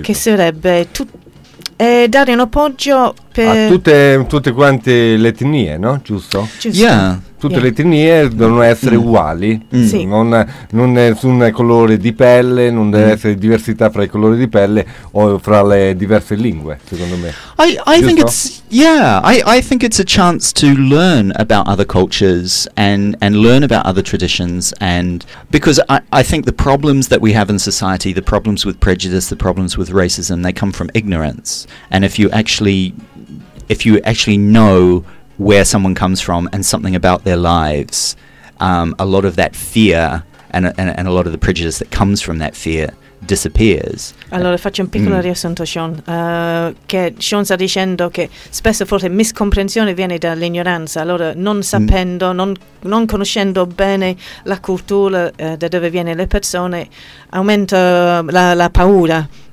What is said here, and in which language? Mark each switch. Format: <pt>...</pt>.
<it>Che sarebbe dare un appoggio per a tutte quante le etnie, no? Giusto? Giusto.</it> <en>Yeah.</en> <it>Tutte le etnie devono essere uguali, non nessun colore di pelle, non deve essere diversità fra i colori di pelle o fra le diverse lingue, secondo me.</it> <en>I think it's a chance to learn about other cultures and learn about other traditions, and because I think the problems that we have in society, the problems with prejudice, the problems with racism, they come from ignorance. And if you actually know where someone comes from and something about their lives, a lot of that fear and a lot of the prejudice that comes from that fear disappears.</en> <it>Allora faccio un piccolo riassunto, Sean, che Sean sta dicendo che spesso forse miscomprensione viene dall'ignoranza, allora non sapendo, non conoscendo bene la cultura da dove viene le persone, aumenta la paura.</it>